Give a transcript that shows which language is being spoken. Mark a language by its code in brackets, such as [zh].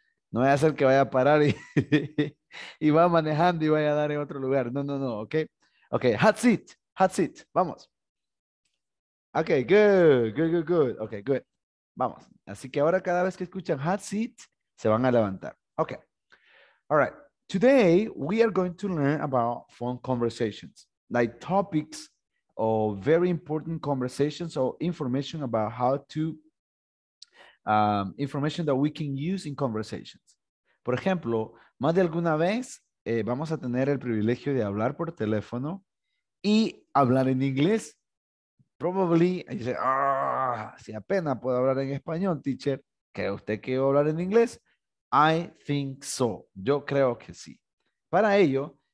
[es] No vaya a ser que vaya a parar y va manejando y vaya a dar en otro lugar. No. Ok. Ok. Hot seat. Vamos. Ok. [en] Good. Ok. Good. [es] Vamos. Así que ahora cada vez que escuchan hot seat, se van a levantar. [en] Ok. All right. Today, we are going to learn about phone conversations, like topics or very important conversations or information about how to, information that we can use in conversations. [es] Por ejemplo, más de alguna vez vamos a tener el privilegio de hablar por teléfono y hablar en inglés. [en] Probably, you say, [es] si apenas puedo hablar en español, teacher, ¿cree usted que voy a hablar en inglés? [en] I think so. [es] Yo creo que sí. Para ello,